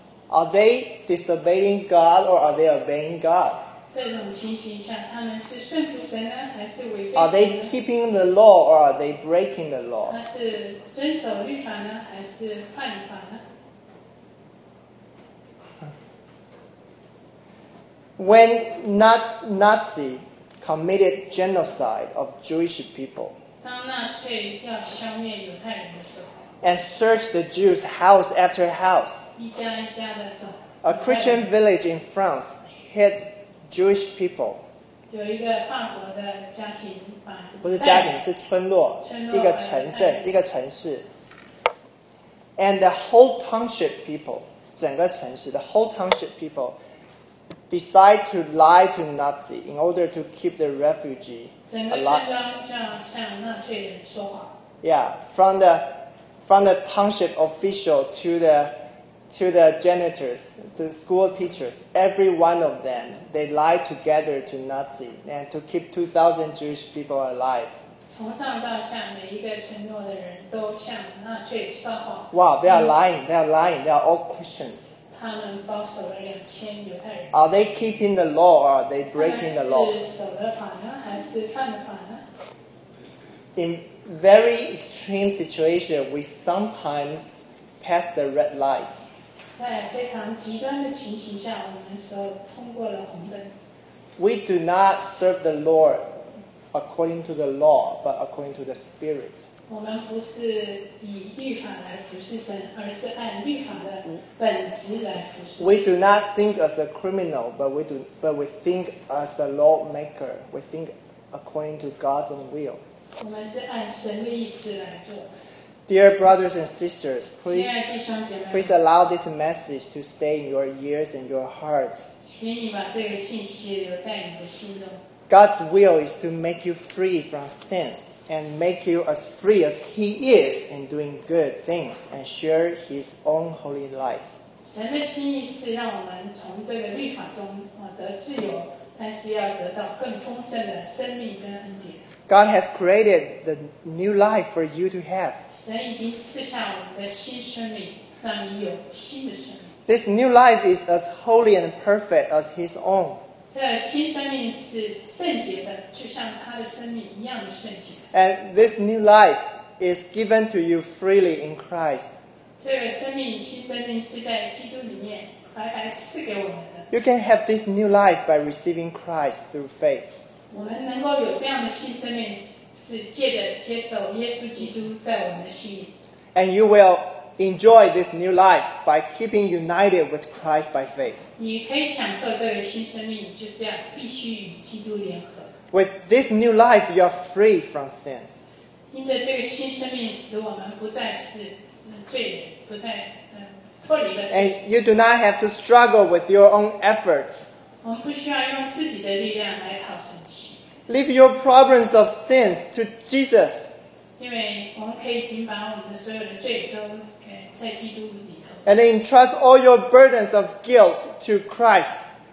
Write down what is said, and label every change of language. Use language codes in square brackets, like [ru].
[en] Are they disobeying God or are they obeying God? [zh] 这种情形下，他们是顺服神呢，还是违背神？ [en] Are they keeping the law or are they breaking the law? [zh] 他是遵守律法呢，还是犯法呢？ [en] When Nazi committed genocide of Jewish people, [zh] 当纳粹要消灭犹太人的时候， [en] and search the Jews house after house, [zh] 一家一家的走。 [en] A Christian village in France hid Jewish people. [zh] 有一个法国的家庭把，不是家庭，是村落，村落一个城镇，一个城市。 [en] And the whole township people, [zh] 整个城市 [en] the whole township people decide to lie to Nazi in order to keep the refugee alive. [zh] 整个村庄就要向纳粹人说谎。 [en] Yeah, from the township official to the janitors, the school teachers, every one of them, they lie together to Nazi and to keep 2,000 Jewish people alive. [zh] 从上到下，每一个村落的人都向纳粹撒谎。 [en] Wow, they are lying, they are lying, they are all Christians. [zh] 他们保守了2000犹太人。 [en] Are they keeping the law or are they breaking the law? [zh] 他们是守了法呢，还是犯了法呢？ [en] In very extreme situation, we sometimes pass the red light. [zh] 在非常极端的情形下，我们说通过了红灯。 [en] We do not serve the Lord according to the law, but according to the Spirit. [zh] 我们不是以律法来服侍神，而是按律法的本质来服侍。 [en] We do not think as a criminal, but we think as the lawmaker. We think according to God's own will. [zh] 我们是按神的意思来做。 [en] Dear brothers and sisters, please, [zh] 亲爱的弟兄姐妹, [en] please allow this message to stay in your ears and your hearts. [zh] 请你把这个信息留在你的心中。 [en] God's will is to make you free from sins and make you as free as He is in doing good things and share His own holy life. [zh] 神的心意是让我们从这个律法中得自由，但是要得到更丰盛的生命跟恩典。 [en] God has created the new life for you to have. [zh] 神已经赐下我们的新生命，让你有新的生命。 [en] This new life is as holy and perfect as His own. [zh] 这新生命是圣洁的，就像他的生命一样的圣洁。 [en] And this new life is given to you freely in Christ. [zh] 这个生命，新生命是在基督里面白白赐给我们的。 [en] You can have this new life by receiving Christ through faith. [zh] 我们能够有这样的新生命，是借着接受耶稣基督在我们的心里。 [en] And you will enjoy this new life by keeping united with Christ by faith. [zh] 你可以享受这个新生命，就是要必须与基督联合。 [en] With this new life, you are free from sins. [zh] 因着这个新生命，使我们不再是罪人，不再脱离了罪。 [en] And you do not have to struggle with your own efforts. [zh] 我们不需要用自己的力量来讨神。 [en] Leave your problems of sins to Jesus. And entrust all your burdens of guilt to Christ.